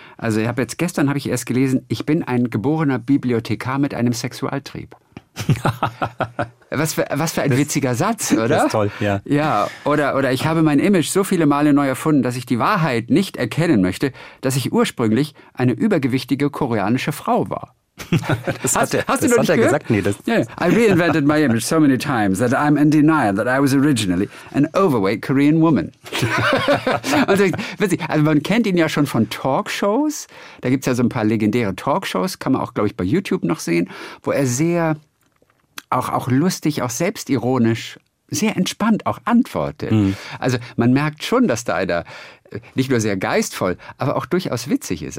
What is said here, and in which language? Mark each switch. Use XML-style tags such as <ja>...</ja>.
<de>Also ich habe jetzt gestern habe ich erst gelesen, ich bin ein geborener Bibliothekar mit einem Sexualtrieb. Was für ein witziger Satz, oder? Das ist toll, ja. Ja, oder ich habe mein Image so viele Male neu erfunden, dass ich die Wahrheit nicht erkennen möchte, dass ich ursprünglich eine übergewichtige koreanische Frau war. Hast du das nicht gehört? Nee,</de> <en>I reinvented my image so many times that I'm in denial that I was originally an overweight Korean woman.</en> <de>Und witzig, also man kennt ihn ja schon von Talkshows. Da gibt es ja so ein paar legendäre Talkshows, kann man auch, glaube ich, bei YouTube noch sehen, wo er sehr auch lustig, auch selbstironisch sehr entspannt auch antwortet. Mhm. Also man merkt schon, dass da einer nicht nur sehr geistvoll, aber auch durchaus witzig ist.</de>